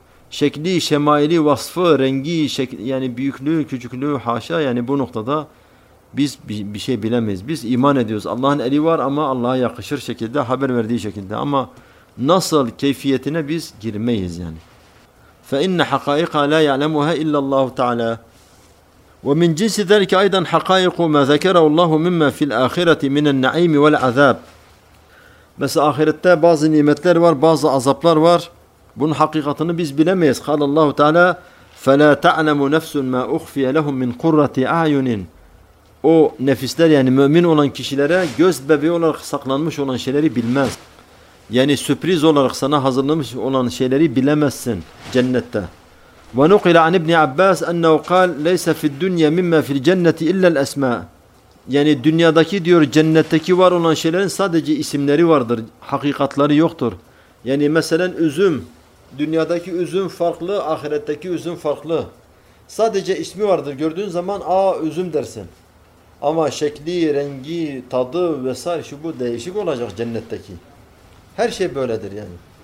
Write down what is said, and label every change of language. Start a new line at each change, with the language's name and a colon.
Turkish: şekli, şemaili, vasfı, rengi, şekli, yani büyüklüğü, küçüklüğü, haşa, yani bu noktada biz bir şey bilemeyiz. Biz iman ediyoruz. Allah'ın eli var ama Allah'a yakışır şekilde, haber verdiği şekilde. Ama nasıl, keyfiyetine biz girmeyiz yani.
Arabic: فَاِنَّ حَقَائِقَ لَا يَعْلَمُهَا اِلَّا اللّٰهُ تَعَلَى وَمِنْ جِنْسِ ذَلِكَ اَيْضًا حَقَائِقُ مَا ذَكَرَهُ اللّٰهُ مِمَّا فِي الْآخِرَةِ مِنَ النَّعِيمِ وَالْعَذَابِ
Turkish: Mesela ahirette bazı nimetler var, bazı azaplar var. Bunun hakikatını biz bilemeyiz.
Arabic: قَالَ اللّٰهُ تَعَلَى فَلَا تَعْلَمُ نَفْسٌ مَا اُخْفِيَ لَهُمْ مِنْ قُرَّةِ اَعْيُنٍ
Turkish: O nefisler, yani mümin olan kişilere göz bebeği olarak saklanmış olan şeyleri bilmez. Yani sürpriz olarak sana hazırlamış olan şeyleri bilemezsin cennette.
Arabic: وَنُقِلَ عَنِ اِبْنِ عَبَّاسِ اَنَّهُ قَالَ لَيْسَ فِي الدُّنْيَا مِمَّا فِي الْجَنَّةِ اِلَّا الْاَسْمَى
Turkish: Yani dünyadaki diyor, cennetteki var olan şeylerin sadece isimleri vardır, hakikatleri yoktur. Yani mesela üzüm, dünyadaki üzüm farklı, ahiretteki üzüm farklı. Sadece ismi vardır, gördüğün zaman aa üzüm dersin. Ama şekli, rengi, tadı vesaire şu bu değişik olacak cennetteki. Her şey böyledir yani.